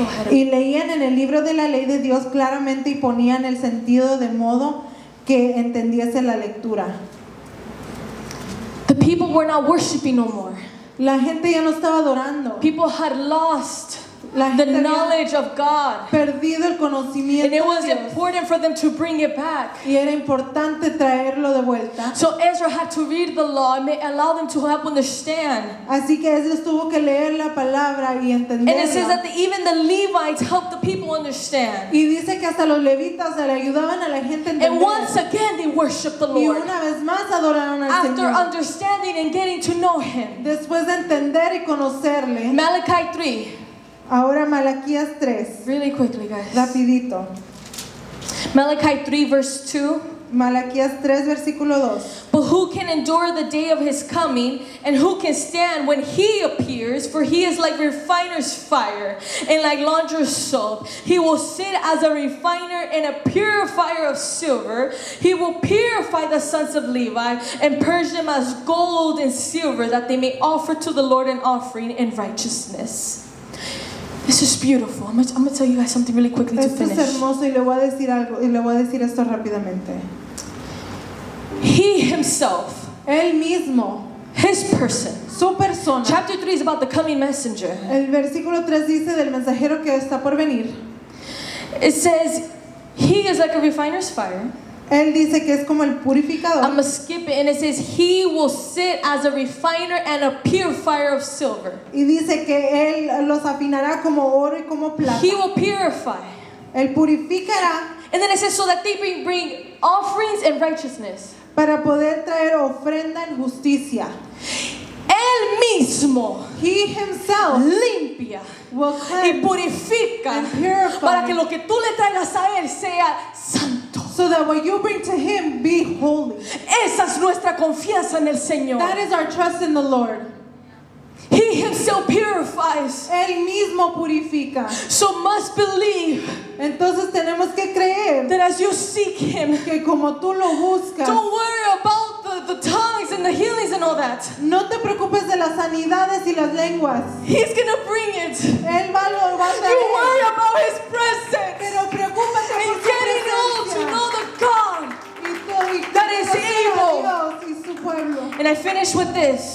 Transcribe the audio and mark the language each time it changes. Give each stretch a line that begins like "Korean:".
Spanish: Y leían en el libro de la ley de Dios claramente y ponían el sentido de modo que entendiese la lectura.
English: The people were not worshiping no more.
Spanish: La gente ya no estaba adorando.
English: People had lost the knowledge of God.
Spanish: Perdido el conocimiento.
English: And it was important for them to bring it back.
Spanish: Y era importante traerlo de vuelta.
English: So Ezra had to read the law and allow them to help understand.
Spanish: Así que Ezra tuvo que leer la palabra y entenderla.
English: And it says that even the Levites helped the people understand.
Spanish: Y dice que hasta los levitas le ayudaban a la gente a entender.
English: And once again they worshiped the Lord.
Spanish: Y una vez más adoraron al
English: After
Spanish: Señor.
English: Understanding and getting to know Him.
Spanish: Después de entender y conocerle.
English: Malachi 3.
Spanish: Ahora Malaquías 3.
English: Really quickly, guys.
Spanish: Rapidito.
English: Malachi 3, verse 2.
Spanish: Malaquías 3, versículo 2.
English: But who can endure the day of his coming, and who can stand when he appears? For he is like refiner's fire and like launderer's soap. He will sit as a refiner and a purifier of silver. He will purify the sons of Levi and purge them as gold and silver, that they may offer to the Lord an offering in righteousness. This is beautiful. I'm going to tell you guys something really quickly to finish.
Spanish: Esto es hermoso, y le voy a decir algo, y le voy a decir esto rápidamente.
English: He himself.
Spanish: Él mismo.
English: His person.
Spanish: Su persona.
English: Chapter 3 is about the coming messenger.
Spanish: El versículo 3 dice del mensajero que está por venir.
English: It says, he is like a refiner's fire.
Spanish: Él dice que es como el purificador.
English: I'm going to skip it, and it says he will sit as a refiner and a purifier of silver.
Spanish: Y dice que él los afinará como oro y como plata.
English: He will purify.
Spanish: Él purificará.
English: And then it says so that they bring offerings and righteousness.
Spanish: Para poder traer ofrenda en justicia. Él mismo.
English: He himself.
Spanish: Limpia.
English: Will cleanse.
Spanish: Y purifica.
English: And purify.
Spanish: Para que lo que tú le traigas a él sea santo.
English: So that what you bring to him be holy.
Spanish: Esa es nuestra confianza en el Señor.
English: That is our trust in the Lord. He himself purifies.
Spanish: Él mismo purifica.
English: So must believe.
Spanish: Entonces tenemos que creer.
English: That as you seek him.
Spanish: Que como tú lo buscas.
English: Don't worry about the tongues and the healings and all that.
Spanish: No te preocupes de las sanidades y las lenguas.
English: He's going to bring it.
Spanish: Él va a traer.
English: You worry about his presence.
Spanish: Pero preocúpate
English: and
Spanish: por su presencia.
English: And getting old to know the God. That is able. And I finish with this.